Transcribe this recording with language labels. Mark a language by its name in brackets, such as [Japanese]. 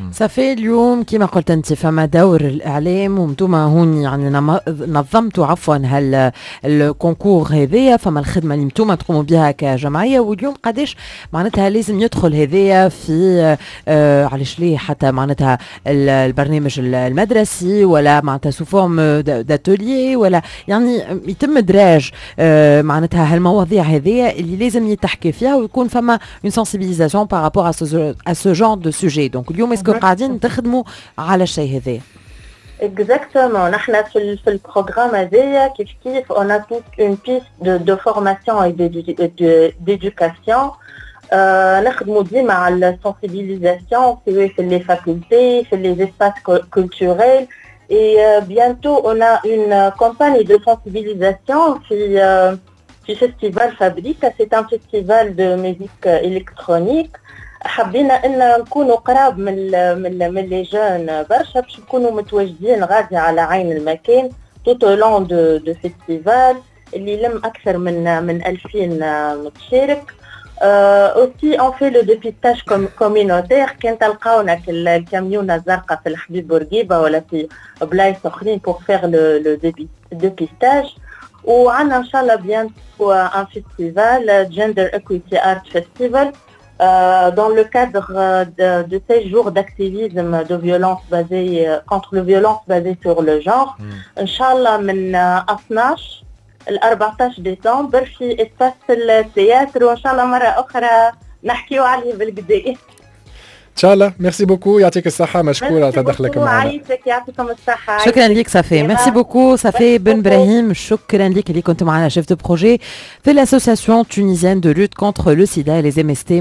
[Arabic] صافي اليوم كما قلت أنت فما دور الإعلام ومتوما هون يعني نظمتوا عفوا هال الكونكور هذية فما الخدمة اللي متوما تقوموا بها كجمعية واليوم قداش معناتها لازم يدخل هذية في علاش ليه حتى معناتها البرنامج المدرسي ولا معناتها سوفورم داتولي ولا يعني يتم إدراج معناتها هالمواضيع هذية اللي لازم يتحكي فيها ويكون فما [French] une sensibilisation par rapport à ce genre de sujet. Donc, est-ce que [Arabic] قاعدين تخدموا على الشيء هذا؟ [French] Exactement. [Arabic] نحن في البروغرام هذايا كيف كيف [French] on a toute une piste de formation et d'éducation. [Arabic] نخدموا ديما على السنسيبيليزاسيون في لي فاكولتي في لي اسباس كولتوريل [French] et bientôt on a une campagne de sensibilisation qui festival Fabrique, c'est un festival de musique électronique. [Arabic] حبينا ان نكونوا قراب من لي جون برشا باش نكونوا متواجدين غادي على عين المكان [French] tout au long de festival [Arabic] اللي لم اكثر من 2000 متشارك. [French] Aussi on fait le dépistage communautaire quand [Arabic] تلقاونا الكاميون الزرقاء في الحبيب بورقيبه ولا في بلايص اخرين [French] pour faire le dépistage. [Arabic] وعنا ان شاء الله [French] bientôt un festival Gender Equity Art Festival dans le cadre de 16 jours d'activisme de violence basée contre la violence basée sur le genre. [Arabic] ان شاء الله من 12 ال 14 ديسمبر في اسباس التياتر وان شاء الله مره اخرى نحكيوا عليه بالبدء ان شاء الله. ميرسي بوكو, يعطيك الصحة, مشكورة على تدخلك معنا. شكرا لك صافي, ميرسي بوكو صافي بن ابراهيم, شكرا لك اللي كنت معنا شيف دو بروجي في الاسوسياسيون تونيزيان دو لوت كونتر لو سيدا اي لي ام اس تي.